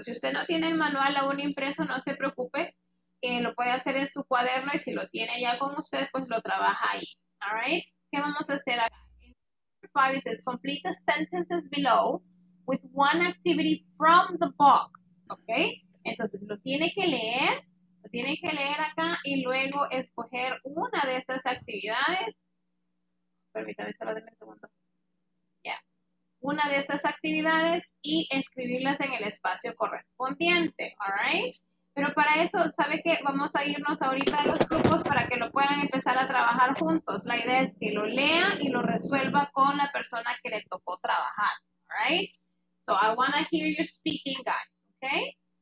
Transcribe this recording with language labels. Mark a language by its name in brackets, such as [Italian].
[Spanish] Si usted no tiene el manual aún impreso, no se preocupe. Lo puede hacer en su cuaderno y si lo tiene ya con usted, pues lo trabaja ahí. All right. ¿Qué vamos a hacer acá? [English] Five, it says, complete the sentences below with one activity from the box. [Spanish] Okay. Entonces, lo tiene que leer. Lo tiene que leer acá y luego escoger una de estas actividades. Permítame, solo denme un segundo. Una de estas actividades y escribirlas en el espacio correspondiente, all right? Pero para eso, ¿sabe qué? Vamos a irnos ahorita a los grupos para que lo puedan empezar a trabajar juntos. La idea es que lo lea y lo resuelva con la persona que le tocó trabajar, all right? [English] So I want to hear you speaking, guys, okay?